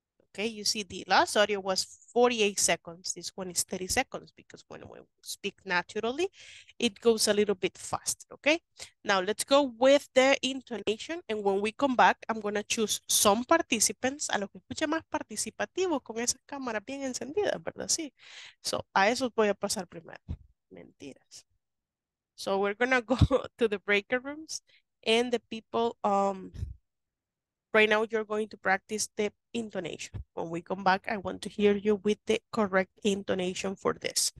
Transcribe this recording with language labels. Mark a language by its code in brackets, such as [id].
[en] Okay, you see the last audio was 48 seconds. This one is 30 seconds because when we speak naturally, it goes a little bit faster, okay? Now let's go with the intonation. And when we come back, I'm going to choose some participants. [es] A los que escuche más participativos con esas cámaras bien encendidas, ¿verdad? Sí. So a esos voy a pasar primero. Mentiras. [en] So we're going to go to the breaker rooms and the people... Right now, you're going to practice the intonation. When we come back, I want to hear you with the correct intonation for this.